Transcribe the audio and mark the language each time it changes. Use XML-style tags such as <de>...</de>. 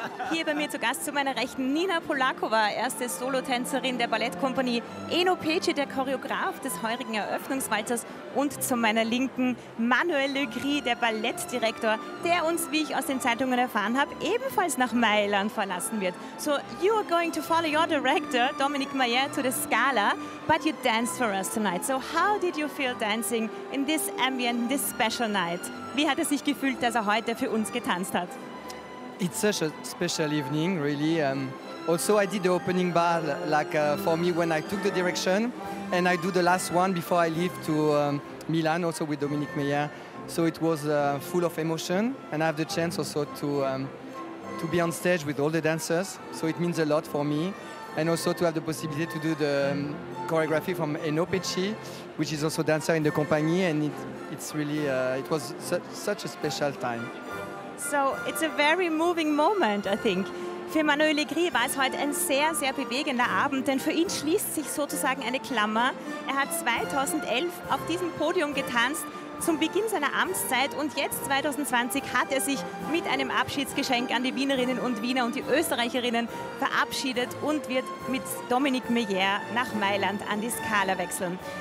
<de>Hier bei mir zu Gast zu meiner Rechten Nina Polakova, erste Solotänzerin der Ballettkompanie Eno Peci, der Choreograf des heurigen Eröffnungswalzers. Und zu meiner Linken Manuel Le Gris, der Ballettdirektor, der uns, wie ich aus den Zeitungen erfahren habe, ebenfalls nach Mailand verlassen wird.</de> <en>So, you are going to follow your director, Dominic Mayer, to the Scala, but you danced for us tonight. So, how did you feel dancing in this ambient, this special night?</en> <de>Wie hat er sich gefühlt, dass er heute für uns getanzt hat?</de> <en>It's such a special evening, really. Also, I did the opening ball, like for me when I took the direction, and I do the last one before I leave to Milan, also with Dominic Meyer. So it was full of emotion, and I have the chance also to be on stage with all the dancers. So it means a lot for me, and also to have the possibility to do the choreography from Eno Peci, which is also dancer in the company, and it was such a special time. So it's a very moving moment, I think.</en> <de>Für Manuel Le Gris war es heute ein sehr, sehr bewegender Abend, denn für ihn schließt sich sozusagen eine Klammer. Er hat 2011 auf diesem Podium getanzt zum Beginn seiner Amtszeit und jetzt 2020 hat er sich mit einem Abschiedsgeschenk an die Wienerinnen und Wiener und die Österreicherinnen verabschiedet und wird mit Dominic Meyer nach Mailand an die Scala wechseln.</de>